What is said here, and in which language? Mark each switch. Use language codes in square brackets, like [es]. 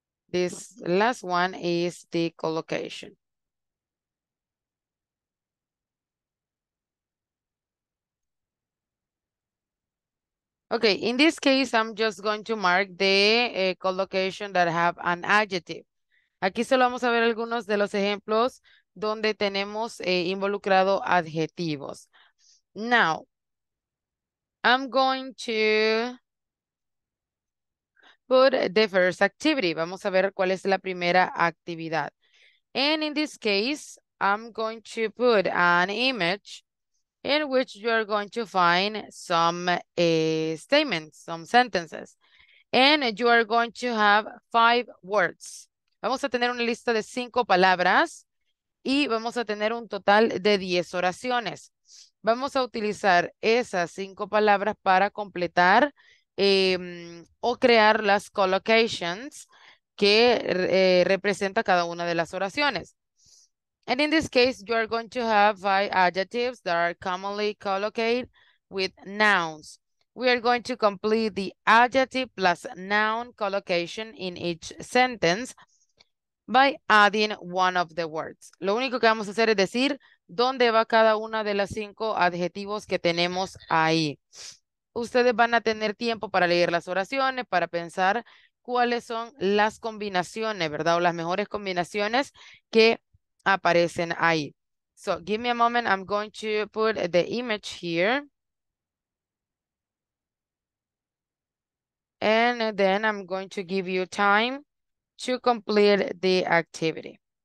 [en] This last one is the collocation. Okay, in this case, I'm just going to mark the collocation that have an adjective. [es] Aquí solo vamos a ver algunos de los ejemplos donde tenemos involucrado adjetivos. [en] Now, I'm going to put the first activity. [es] Vamos a ver cuál es la primera actividad. [en] And in this case, I'm going to put an image in which you are going to find some statements, some sentences. And you are going to have 5 words. [es] Vamos a tener una lista de 5 palabras y vamos a tener un total de 10 oraciones. Vamos a utilizar esas 5 palabras para completar o crear las collocations que representa cada una de las oraciones. [en] And in this case, you are going to have 5 adjectives that are commonly collocated with nouns. We are going to complete the adjective plus noun collocation in each sentence by adding one of the words. [es] Lo único que vamos a hacer es decir dónde va cada una de las 5 adjetivos que tenemos ahí. Ustedes van a tener tiempo para leer las oraciones, para pensar cuáles son las combinaciones, ¿verdad? O las mejores combinaciones que aparecen ahí. [en] So, give me a moment. I'm going to put the image here. And and then I'm going to give you time to complete the activity.